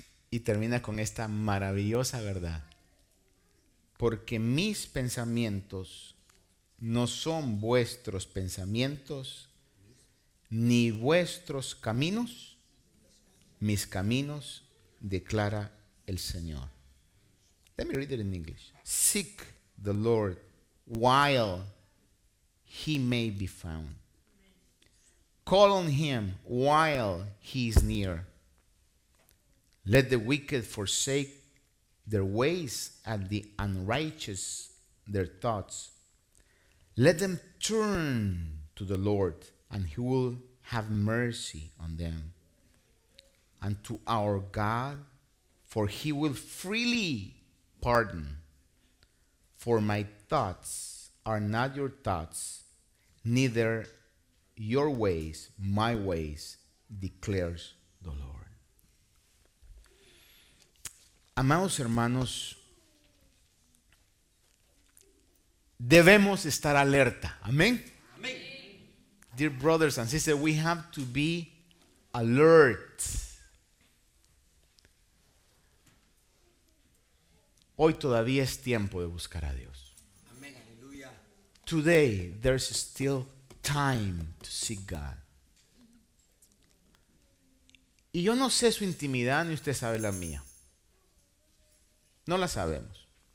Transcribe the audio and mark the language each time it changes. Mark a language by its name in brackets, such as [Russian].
[Spanish] Y termina con esta maravillosa verdad: porque mis pensamientos no son vuestros pensamientos, ni vuestros caminos mis caminos, declara el Señor. [English] Let me read it in English. Seek the Lord while he may be found. Call on him while he is near. Let the wicked forsake their ways, and the unrighteous their thoughts. Let them turn to the Lord, and he will have mercy on them, and to our God, for he will freely pardon. For my thoughts are not your thoughts, neither your ways my ways, declares the Lord. [Spanish] Amados hermanos, debemos estar alerta. Amén. Amén. [English] Dear brothers and sisters, we have to be alert. [Spanish] Hoy todavía es tiempo de buscar a Dios. Amén. Aleluya. [English] Today there's still time to seek God. [Spanish] Y yo no sé su intimidad, ni usted sabe la mía. No la sabemos.